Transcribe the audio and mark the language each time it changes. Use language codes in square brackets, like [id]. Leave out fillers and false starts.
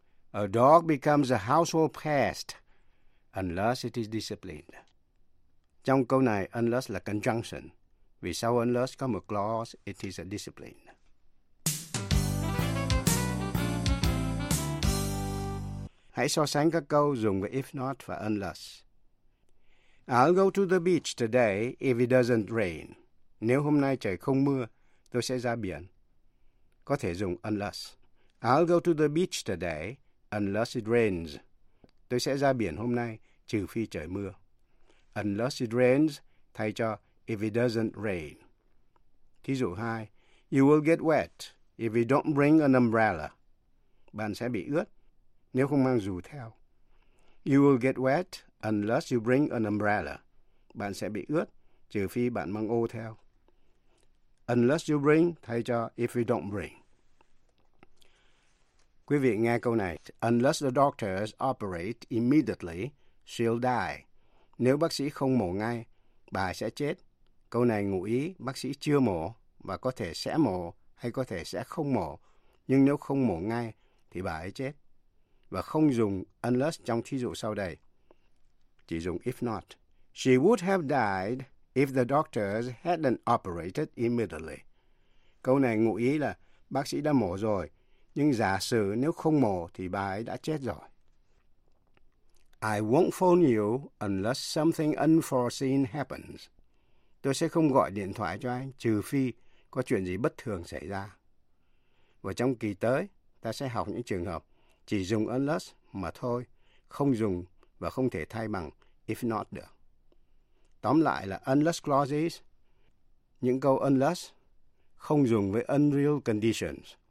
[en] A dog becomes a household pest unless it is disciplined. [vi] Trong câu này, unless là conjunction, vì sau unless có một clause, [en] it is a discipline. [vi] Hãy so sánh các câu dùng với if not và unless. [en] I'll go to the beach today if it doesn't rain. [vi] Nếu hôm nay trời không mưa, tôi sẽ ra biển. Có thể dùng unless. [en] I'll go to the beach today unless it rains. [vi] Tôi sẽ ra biển hôm nay trừ phi trời mưa. [en] Unless it rains [vi] thay cho [en] if it doesn't rain. [vi] Thí dụ 2. [en] You will get wet if you don't bring an umbrella. [vi] Bạn sẽ bị ướt nếu không mang dù theo. [en] You will get wet unless you bring an umbrella. [vi] Bạn sẽ bị ướt trừ phi bạn mang ô theo. [en] Unless you bring [vi] thay cho [en] if you don't bring. [vi] Quý vị nghe câu này. [en] Unless the doctors operate immediately, she'll die. [vi] Nếu bác sĩ không mổ ngay, bà sẽ chết. Câu này ngụ ý bác sĩ chưa mổ và có thể sẽ mổ hay có thể sẽ không mổ. Nhưng nếu không mổ ngay thì bà ấy chết. Và không dùng unless trong thí dụ sau đây. Chỉ dùng if not. [en] She would have died if the doctors hadn't operated immediately. [vi] Câu này ngụ ý là bác sĩ đã mổ rồi, nhưng giả sử nếu không mổ thì bà ấy đã chết rồi. [en] I won't phone you unless something unforeseen happens. [vi] Tôi sẽ không gọi điện thoại cho anh trừ phi có chuyện gì bất thường xảy ra. Và trong kỳ tới, ta sẽ học những trường hợp chỉ dùng unless mà thôi, không dùng và không thể thay bằng if not được. Tóm lại là unless clauses, những câu unless không dùng với unreal conditions.